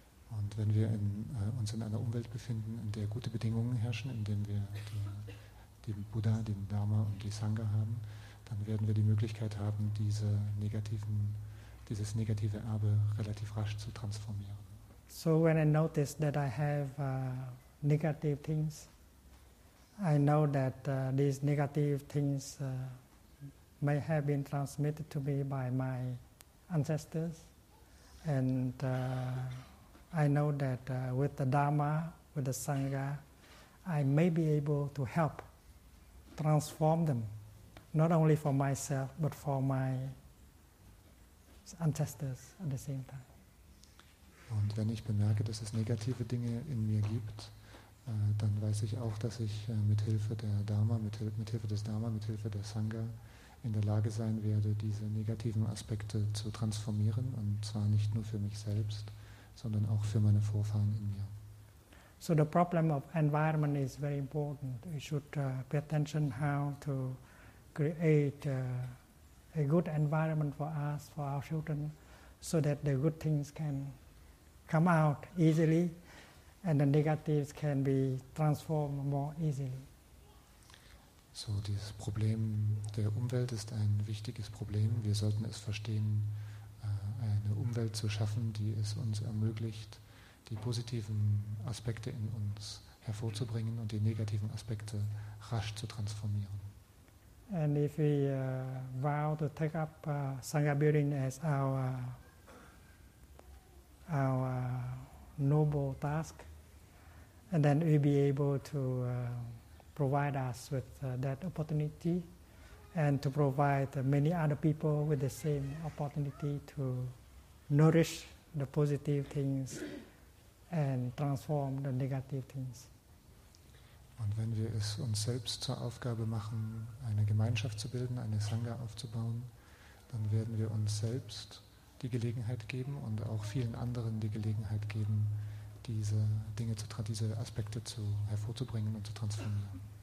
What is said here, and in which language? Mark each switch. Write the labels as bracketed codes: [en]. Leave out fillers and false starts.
[de] Und wenn wir uns in einer Umwelt befinden, in der gute Bedingungen herrschen, in dem wir den Buddha, den Dharma und die Sangha haben, dann werden wir die Möglichkeit haben, dieses negative Erbe relativ rasch zu transformieren. [en] So when I notice that I have negative things, I know that these negative things may have been transmitted to me by my ancestors, and I know that with the Dharma, with the Sangha, I may be able to help transform them, not only for myself, but for my ancestors at the same time. [de] Und wenn ich bemerke, dass es negative Dinge in mir gibt, dann weiß ich auch, dass ich mithilfe der Dharma, mithilfe des Dharma, mithilfe der Sangha in der Lage sein werde, diese negativen Aspekte zu transformieren, und zwar nicht nur für mich selbst, sondern auch für meine Vorfahren in mir. [en] So the problem of environment is very important. We should pay attention how to create a good environment for us, for our children, so that the good things can come out easily and the negatives can be transformed more easily. [de] So dieses Problem der Umwelt ist ein wichtiges Problem. Wir sollten es verstehen, eine Umwelt zu schaffen, die es uns ermöglicht, die positiven Aspekte in uns hervorzubringen und die negativen Aspekte rasch zu transformieren. [en] And if we vow to take up Sangha building as our noble task, and then we'll be able to provide us with that opportunity and to provide many other people with the same opportunity to nourish the positive things and transform the negative things. [de] Und wenn wir es uns selbst zur Aufgabe machen, eine Gemeinschaft zu bilden, eine Sangha aufzubauen, dann werden wir uns selbst die Gelegenheit geben und auch vielen anderen die Gelegenheit geben, diese Dinge, diese Aspekte hervorzubringen und zu transformieren.